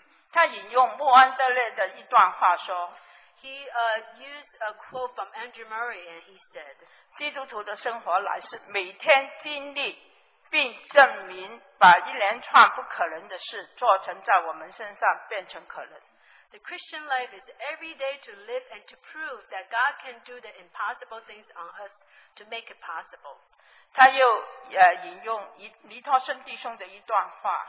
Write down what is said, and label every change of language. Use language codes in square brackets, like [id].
[zh] 他引用莫安德烈的一段话说, [en] He used a quote from Andrew Murray, and he said, [zh] 基督徒的生活乃是每天经历 并证明把一连串不可能的事做成在我们身上变成可能。 [en] The Christian life is every day to live and to prove that God can do the impossible things on us to make it possible. [zh] 他又, 引用尼托森弟兄的一段话,